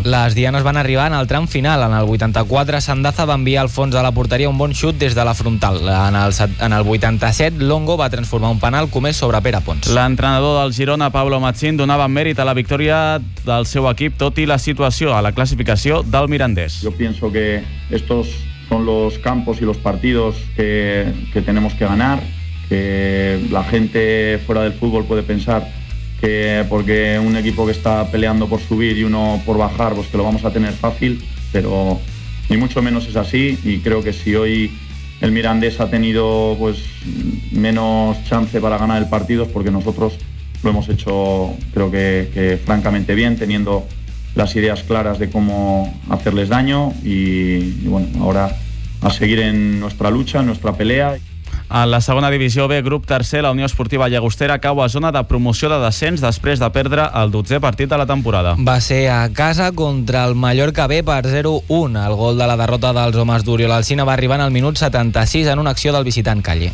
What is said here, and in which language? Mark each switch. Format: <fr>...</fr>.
<ca>Les dianes van arribar en el tram final. En el 84, Sandaza va enviar al fons de la porteria un bon xut des de la frontal. En el 87, Longo va transformar un penal comès sobre Pere Pons. L'entrenador del Girona, Pablo Machín, donava mèrit a la victòria del seu equip, tot i la situació a la classificació del Mirandés.</ca> <es>Yo pienso que estos son los campos y los partidos que tenemos que ganar, que la gente fuera del fútbol puede pensar que porque un equipo que está peleando por subir y uno por bajar, pues que lo vamos a tener fácil, pero ni mucho menos es así. Y creo que si hoy el Mirandés ha tenido pues menos chance para ganar el partido es porque nosotros lo hemos hecho, creo que francamente bien, teniendo las ideas claras de cómo hacerles daño y bueno, ahora a seguir en nuestra lucha, en nuestra pelea.</es> <ca>A la segona divisió B, grup tercer, la Unió Esportiva Llagostera cau a zona de promoció de descens després de perdre el 12è partit de la temporada. Va ser a casa contra el Mallorca B per 0-1. El gol de la derrota dels homes d'Oriol Alsina va arribar en el minut 76 en una acció del visitant Calle.</ca>